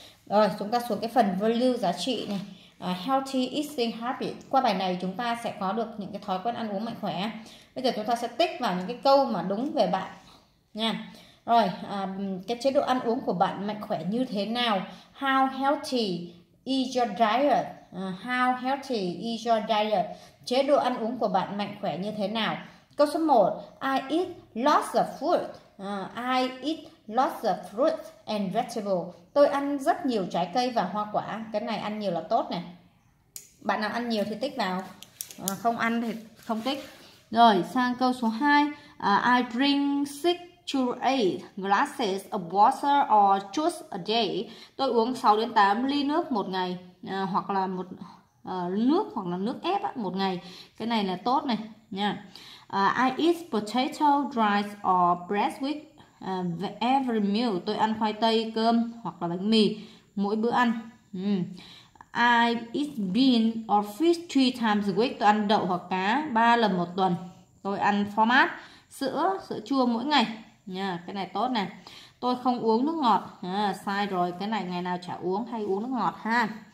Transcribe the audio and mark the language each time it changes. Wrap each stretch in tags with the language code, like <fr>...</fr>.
<vi>Rồi chúng ta xuống cái phần value giá trị này,</vi> <en>healthy eating habit.</en> <vi>Qua bài này chúng ta sẽ có được những cái thói quen ăn uống mạnh khỏe. Bây giờ chúng ta sẽ tích vào những cái câu mà đúng về bạn nha. Rồi, cái chế độ ăn uống của bạn mạnh khỏe như thế nào?</vi> <en>How healthy is your diet? How healthy is your diet?</en> <vi>Chế độ ăn uống của bạn mạnh khỏe như thế nào? Câu số 1,</vi> <en>I eat lots of fruit. I eat lots of fruit and vegetable.</en> <vi>Tôi ăn rất nhiều trái cây và hoa quả. Cái này ăn nhiều là tốt này. Bạn nào ăn nhiều thì tích vào. Không ăn thì không tích. Rồi, sang câu số 2,</vi> <en>I drink 6 to 8 glasses of water or juice a day.</en> <vi>Tôi uống 6 đến 8 ly nước một ngày, hoặc là một nước hoặc là nước ép một ngày. Cái này là tốt này nha.</vi> <en>I eat potato, rice or bread with every meal.</en> <vi>Tôi ăn khoai tây, cơm hoặc là bánh mì mỗi bữa ăn.</vi> <en>I eat beans or fish 3 times a week.</en> <vi>Tôi ăn đậu hoặc cá 3 lần một tuần. Tôi ăn phô mát, sữa chua mỗi ngày. Cái này tốt nè. Tôi không uống nước ngọt. Sai rồi, cái này ngày nào chả uống hay uống nước ngọt ha.</vi>